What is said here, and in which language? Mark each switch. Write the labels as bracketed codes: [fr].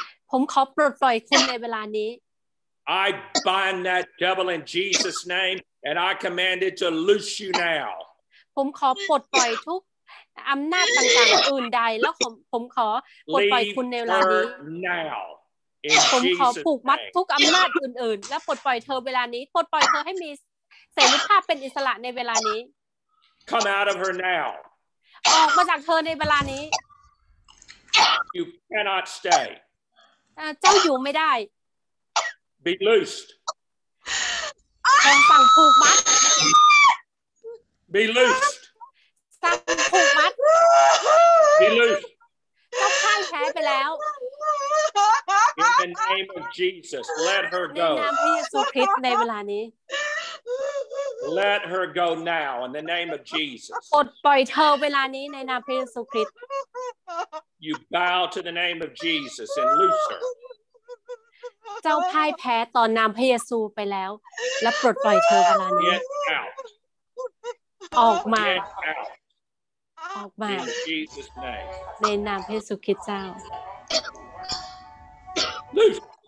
[th] ผมขอปลดปล่อยคุณในเวลานี้ [en] I bind that devil in Jesus' name, and I command it to loose you now. [th] ผมขอปลดปล่อยทุกอำนาจต่างๆอื่นใดแล้วผมขอปลดปล่อยคุณในเวลานี้ [en] now. [th] ผมขอผูกมัดทุกอำนาจอื่นๆแล้วปลดปล่อยเธอเวลานี้ปลดปล่อยเธอให้มีเสรีภาพเป็นอิสระในเวลานี้ [en] Come out of her now. [th] ออกมาจากเธอในเวลานี้ [en] You cannot stay. [th] เจ้าอยู่ไม่ได้ [en] Be loosed [th] สั่งผูกมัด [en] Be loosed [th] สั่งผูกมัด [en] Be loosed [th] เจ้าข้างแพ้ไปแล้ว [en] In the name of Jesus let her go [th] ในนามพระเยซูคริสต์ในเวลานี้ [en] Let her go now in the name of Jesus [th] ปลดปล่อยเธอเวลานี้ในนามพระเยซูคริสต์ [en] You bow to the name of Jesus and loose her. [th] เจ้าพ่ายแพ้ต่อนามพระเยซูไปแล้วและปลดปล่อยเธอเวลานี้ [en] Get out. [th] ออกมา [en] Get out. [th] ออกมา [en] In Jesus name. [th] ในนามพระเยซูคริสต์เจ้า [en] Loose.